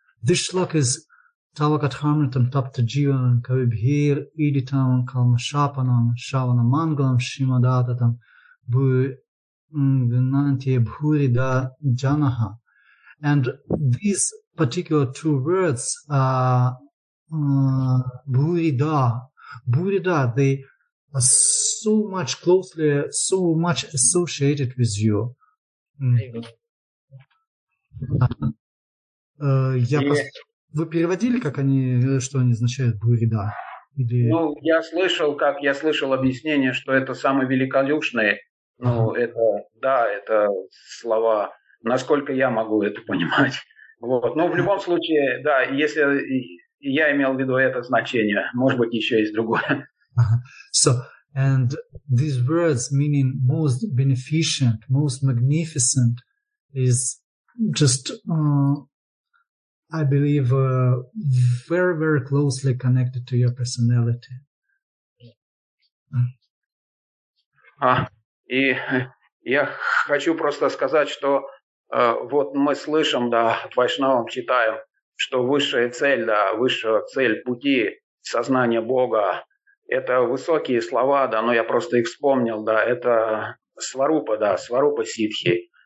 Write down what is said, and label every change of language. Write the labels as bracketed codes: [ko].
[en] This shlok is [sa] Tavakathamritam Taptajivanam Kavibhir Iditam Kalmashapanam Shavana Mangalam Shimadatatam Bhuvinanti Bhurida Janaha. [en] And these particular two words are Bhurida. Bhurida, they are so much closely, so much associated with you. [ru] Вы переводили, как они, что они означают, Бурида? Или... Ну, я слышал объяснение, что это самый великолюшный. Ну, это, да, это слова, насколько я могу это понимать. Вот. Ну, в любом случае, да, если я имел в виду это значение, может быть, еще есть другое. [en] So, and these words meaning most beneficent, most magnificent is just I believe very, very closely connected to your personality. [ru] А, и я хочу просто сказать, что вот мы слышим, да, от вайшнавов читаем, что высшая цель, да, высшая цель пути сознания Бога, это высокие слова, да, но я просто их вспомнил, да, это сварупа, да, сварупа ситхи.